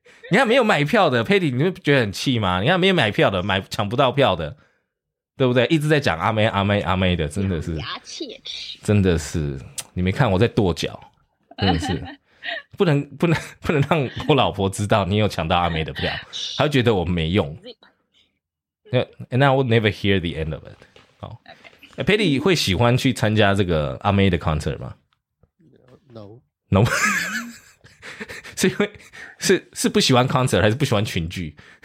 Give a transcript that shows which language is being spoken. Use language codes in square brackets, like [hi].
[zh] 你看没有买票的 Patty， 你会觉得很气吗？你看没有买票的，买抢不到票的，对不对？一直在讲阿妹阿妹阿妹的，真的是牙切齿，真的是你没看我在跺脚，真的是不能让我老婆知道你有抢到阿妹的票，她会觉得我没用。 [en] And I will never hear the end of it. Okay. [zh] Patty 会喜欢去参加这个阿妹的 concert 吗 [en] ？No， [zh] 是因为是不喜欢 concert 还是不喜欢群聚